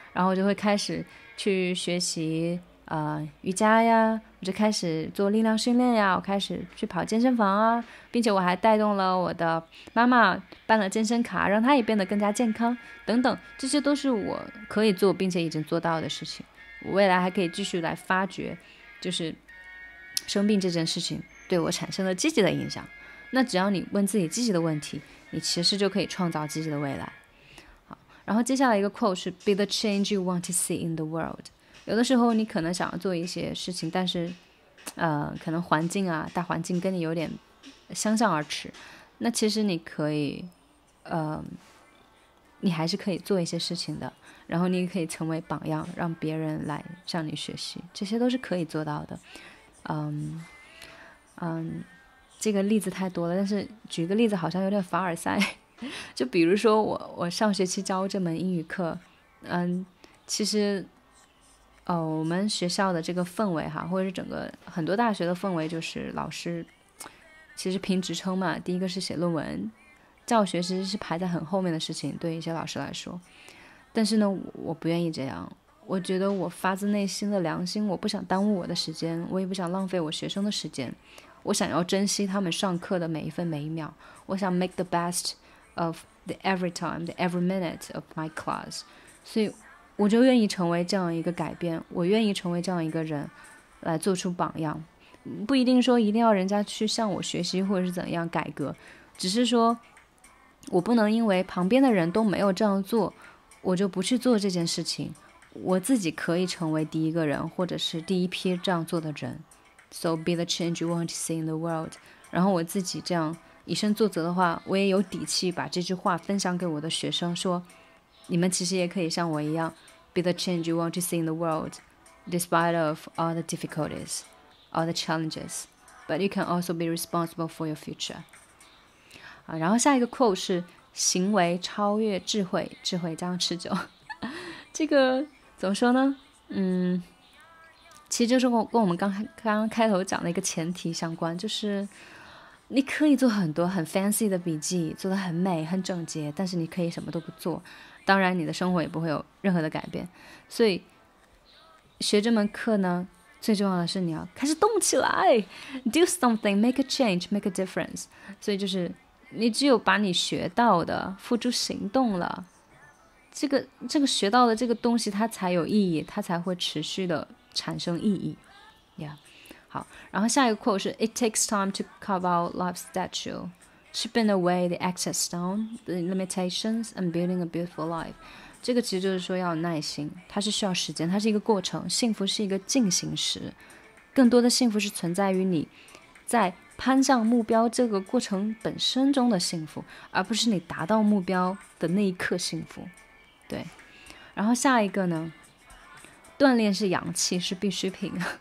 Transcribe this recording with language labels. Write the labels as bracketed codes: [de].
[zh] 然后我就会开始去学习瑜伽呀，我就开始做力量训练呀，我开始去跑健身房啊，并且我还带动了我的妈妈办了健身卡，让她也变得更加健康等等，这些都是我可以做并且已经做到的事情。我未来还可以继续来发掘就是生病这件事情对我产生了积极的影响。那只要你问自己积极的问题，你其实就可以创造积极的未来。好，然后接下来一个 quote 是 [en] Be the change you want to see in the world。 [zh] 有的时候你可能想要做一些事情，但是可能环境啊，大环境跟你有点相向而驰，那其实你可以你还是可以做一些事情的，然后你可以成为榜样，让别人来向你学习，这些都是可以做到的。这个例子太多了，但是举个例子好像有点凡尔赛。就比如说我上学期教这门英语课，其实我们学校的这个氛围哈，或者是整个很多大学的氛围，就是老师其实评职称嘛，第一个是写论文，教学其实是排在很后面的事情，对一些老师来说。但是呢，我不愿意这样。我觉得我发自内心的良心，我不想耽误我的时间，我也不想浪费我学生的时间。我想要珍惜他们上课的每一分每一秒。我想 [en] make the best of the every time, the every minute of my class. [zh] 所以我就愿意成为这样一个改变，我愿意成为这样一个人来做出榜样。不一定说一定要人家去向我学习或者是怎样改革，只是说我不能因为旁边的人都没有这样做，我就不去做这件事情。我自己可以成为第一个人或者是第一批这样做的人。 [en] So be the change you want to see in the world. [zh] 然后我自己这样以身作则的话，我也有底气把这句话分享给我的学生，说你们其实也可以像我一样 [en] be the change you want to see in the world despite of all the difficulties, all the challenges, but you can also be responsible for your future. [zh] 然后下一个 quote 是行为超越智慧，智慧将持久。这个怎么说呢，其实就是跟我们刚刚开头讲的一个前提相关，就是你可以做很多很 fancy 的笔记，做得很美很整洁，但是你可以什么都不做，当然你的生活也不会有任何的改变。所以学这门课呢，最重要的是你要开始动起来， [en] do something, make a change, make a difference。 [zh] 所以就是你只有把你学到的付诸行动了，这个学到的这个东西它才有意义，它才会持续的产生意义。 yeah. 好，然后下一个 quote 是 [en] It takes time to carve out life's statue, chipping away the excess stone, the limitations, and building a beautiful life. [zh] 这个其实就是说要有耐心，它是需要时间，它是一个过程，幸福是一个进行时，更多的幸福是存在于你在攀向目标这个过程本身中的幸福，而不是你达到目标的那一刻幸福。对，然后下一个呢，锻炼是氧气，是必需品。